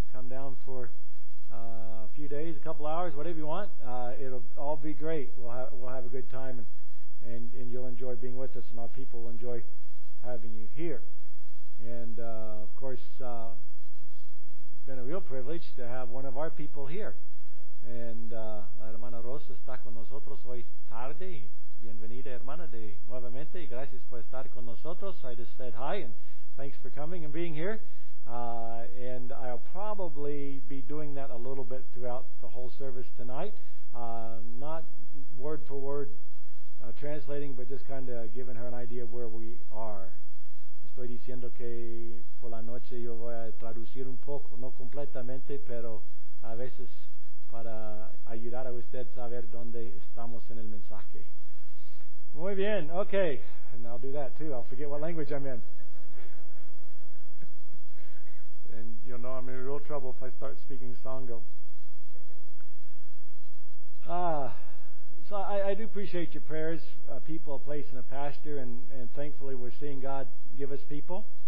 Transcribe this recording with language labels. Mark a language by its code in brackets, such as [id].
[en] Come down for a few days, a couple hours, whatever you want. It'll all be great. We'll have a good time, and you'll enjoy being with us, and our people will enjoy having you here. And, of course, it's been a real privilege to have one of our people here. [es] And la hermana Rosa está con nosotros hoy tarde. Bienvenida, hermana, de nuevamente. Gracias por estar con nosotros. [en] I just said hi, and thanks for coming and being here. And I'll probably be doing that a little bit throughout the whole service tonight. Not word for word translating, but just kind of giving her an idea of where we are. [es] Estoy diciendo que por la noche yo voy a traducir un poco, no completamente, pero a veces para ayudar a usted saber dónde estamos en el mensaje. Muy bien, [en] okay. And I'll do that too. I'll forget what language I'm in. And you'll know I'm in real trouble if I start speaking Sango. So I do appreciate your prayers, a people, a place, and a pastor, and thankfully we're seeing God give us people.